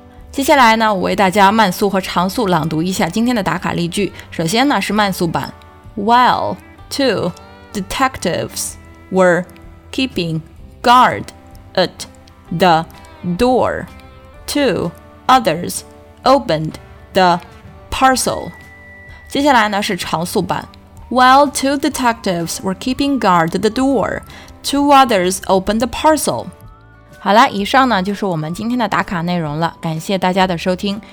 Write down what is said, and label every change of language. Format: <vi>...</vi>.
<zh>接下来呢，我为大家慢速和长速朗读一下今天的打卡例句。首先呢是慢速版。</zh> <en>While two detectives were keeping guard at the door, two others opened the parcel。</en> <zh>接下来呢是长速版。</zh> <en>While two detectives were keeping guard at the door, two others opened the parcel.</en> <zh>好了，以上呢就是我们今天的打卡内容了，感谢大家的收听。</zh>